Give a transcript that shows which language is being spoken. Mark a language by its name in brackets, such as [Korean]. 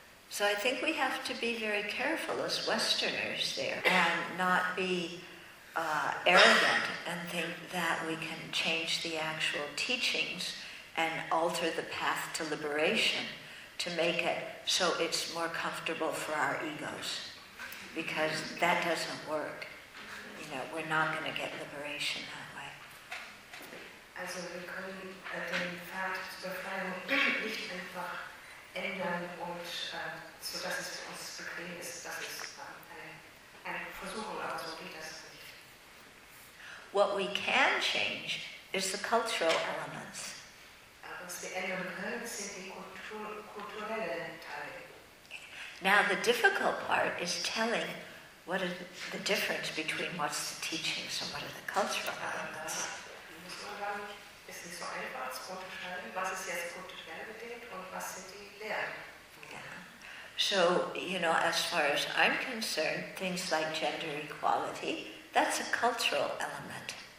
[English] So I think we have to be very careful as Westerners there and not be arrogant and think that we can change the actual teachings and alter the path to liberation to make it so it's more comfortable for our egos, because that doesn't work. You know, we're not going to get liberation that way. [German] Also wir können den Pfad zur Freiheit nicht einfach ändern und so dass es für uns bequem ist, das ist eine Versuchung, aber so geht das nicht. [English] What we can change is the cultural elements. [German] Was wir ändern können, sind die kulturellen Teile. [English] Now the difficult part is telling what is the difference between what's the teachings and what are the cultural elements. [German] Muss man sagen, ist nicht so einfach zu unterscheiden, was ist jetzt kulturell bedingt und was sind die. [English] Yeah. So, you know, as far as I'm concerned, things like gender equality, that's a cultural element.